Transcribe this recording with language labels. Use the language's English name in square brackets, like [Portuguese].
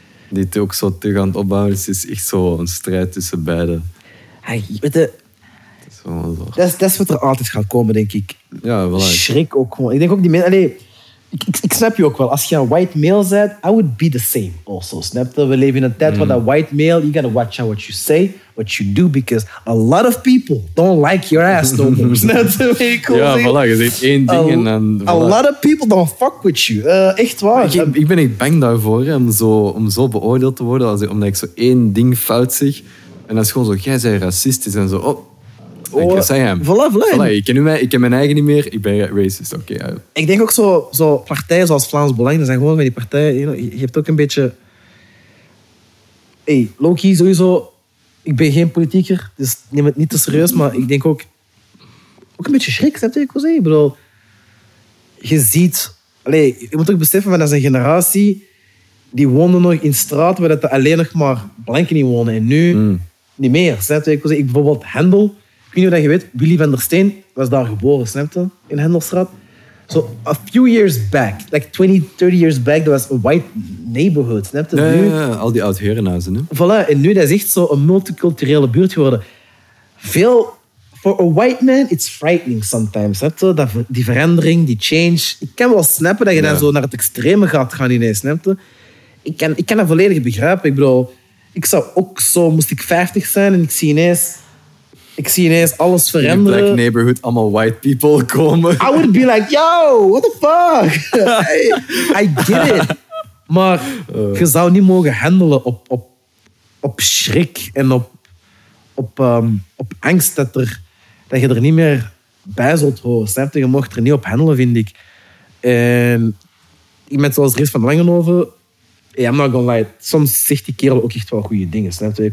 [Dutch] Die het ook zo terug aan het opbouwen. Dus het is echt zo een strijd tussen beiden. Dat is wat er altijd gaat komen, denk ik. Ja, wel. Schrik ook gewoon. Ik denk ook die mensen... Ik snap je ook wel. Als je een white male bent, [English] I would be the same also. [Dutch] Snap je? We leven in een tijd waar dat white male... [English] You gotta watch out what you say, what you do. Because a lot of people don't like your ass. No more. [Dutch] Snap je? Je zegt één ding en dan... Voilà. [English] A lot of people don't fuck with you. [Dutch] Echt waar. Ik ben echt bang daarvoor, hè, om zo beoordeeld te worden. Omdat ik zo één ding fout zeg. En dat is gewoon zo, jij bent racistisch en zo... Oh. Ik ken mijn eigen niet meer. Ik ben racist. Ik denk ook zo partijen zoals Vlaams Belang. Dat zijn gewoon van die partijen. [English] You know, [Dutch] je hebt ook een beetje... Hey, low-key sowieso. Ik ben geen politieker. Dus neem het niet te serieus. Maar ik denk ook... Ook een beetje schrik. Snap je wat ik wil zeggen? Ik bedoel... Je ziet... Je moet ook beseffen van dat is een generatie... Die woonde nog in straat waar dat er alleen nog maar blanken niet wonen. En nu niet meer. Snap je wat ik wil zeggen? Ik bijvoorbeeld handel... Ik weet niet of je weet, Willy van der Steen was daar geboren, snap je? [English] In Hendelstraat. So, a few years back, like 20, 30 years back, [Dutch] dat was een [English] white neighborhood, snap je? [Dutch] Al die oud-herenhuizen, hè? Voilà, en nu dat is echt zo'n multiculturele buurt geworden. [English] Veel, for a white man, it's frightening sometimes, [Dutch] snap je? Die verandering, die change. Ik kan wel snappen dat je dan zo naar het extreme gaat gaan ineens, snap je? Ik kan dat volledig begrijpen. Ik bedoel, ik zou ook zo, moest ik 50 zijn en ik zie ineens alles veranderen. [English] In black neighborhood, allemaal white people komen. I would be like, yo, what the fuck? I get it. [Dutch] Maar je zou niet mogen handelen op schrik en op angst dat je er niet meer bij zult horen. Snap je? Je mocht er niet op handelen, vind ik. En iemand zoals Dries van Langenhoven, [English] I'm not gonna lie, [Dutch] soms zegt die kerel ook echt wel goede dingen. Snap je?